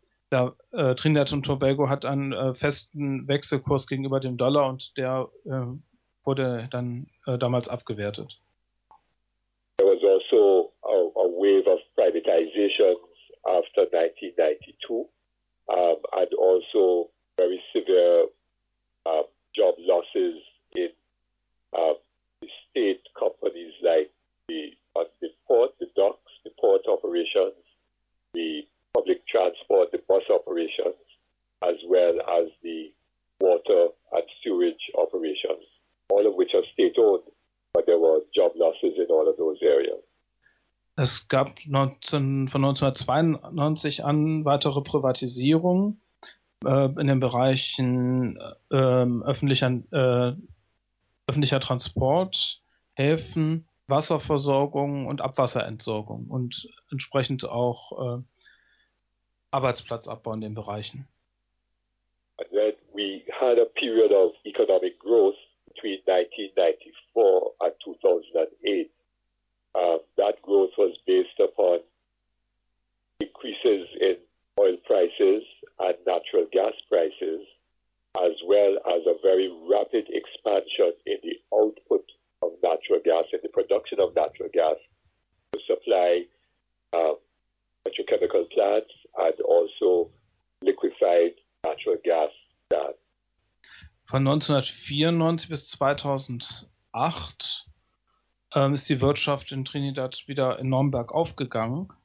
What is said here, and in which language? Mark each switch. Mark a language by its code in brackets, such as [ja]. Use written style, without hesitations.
[de] Trinidad und Tobago hat einen festen Wechselkurs gegenüber dem Dollar und der wurde dann damals abgewertet. [en] There was also a wave of privatizations after 1992 and also very severe job losses in the state companies like the port, the docks, the port operations, the public transport, the bus operations, as well as the water and sewage operations. All of which are state-owned, but there were job losses in all of those areas. [de] Es gab von 1992 an weitere Privatisierungen in den Bereichen öffentlicher Transport, Häfen, Wasserversorgung und Abwasserentsorgung und entsprechend auch Arbeitsplatzabbau in den Bereichen. [en] And then we had a period of economic growth between 1994 and 2008. That growth was based upon increases in oil prices and natural gas prices, as well as a very rapid expansion in the output of natural gas, in the production of natural gas, to supply petrochemical plants and also liquefied natural gas plants. [de] Von 1994 bis 2008 ist die Wirtschaft in Trinidad wieder enorm bergauf gegangen.